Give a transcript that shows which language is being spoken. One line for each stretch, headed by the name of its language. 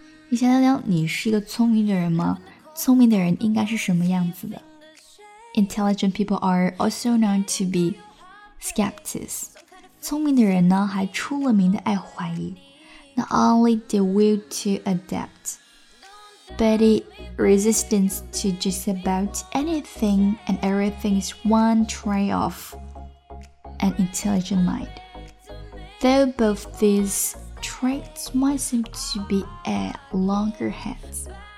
Chinese: 你想想你是一个聪明的人吗？聪明的人应该是什么样子的？
English: Intelligent people are also known to be skeptics.
Chinese: 聪明的人呢还出了名的爱怀疑。
English: Not only the will to adapt, but the resistance to just about anything and everything is one trait of an intelligent mind. Though both these traits might seem to be at loggerheads.